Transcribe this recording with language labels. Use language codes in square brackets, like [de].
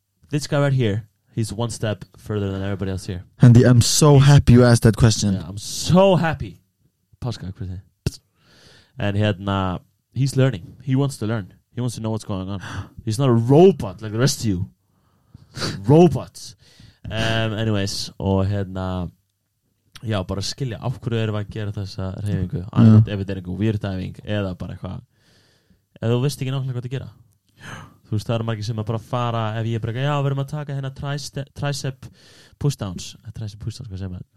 [en] This guy right here, he's one step further than everybody else here Andy, I'm so happy you asked that question Yeah, I'm so happy [is] Páska, hvað þið? [en] And hérna, he's learning, he wants to learn He wants to know what's going on. He's not a robot like the rest of you. Robots. [is] Anyways, og hérna, já, bara skilja af hverju erum að gera þessa reyfingu. Ef þetta er einhver weirdæfing eða bara eitthvað. Ef þú veist ekki náttúrulega hvað það gera. Þú veist, það eru margir sem að bara fara, ef ég bara, já, við erum að taka hérna tricep pushdowns. Tricep pushdowns, hvað segir maður?